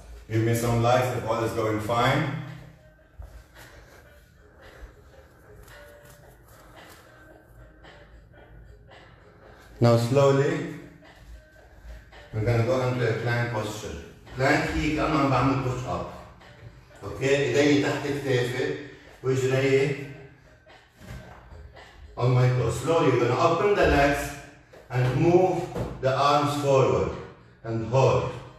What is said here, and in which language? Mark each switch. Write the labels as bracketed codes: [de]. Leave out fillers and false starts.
[en] Give me some likes if all is going fine. Now slowly, we're gonna go into a plank posture. [ar] Plank هي كأنه عم بعمل push up. Okay, إيدي تحت الكتافي وإجري [en] on my toes. Slowly, you're gonna open the legs and move the arms forward and hold.